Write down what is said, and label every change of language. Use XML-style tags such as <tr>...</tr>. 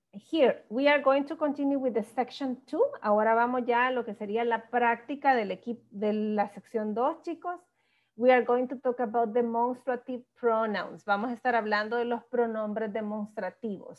<en>Here, we are going to continue with the section 2.</en> <es>Ahora vamos ya a lo que sería la práctica del equipo de la sección 2, chicos.</es> <en>We are going to talk about demonstrative pronouns.</en> <es>Vamos a estar hablando de los pronombres demostrativos.</es>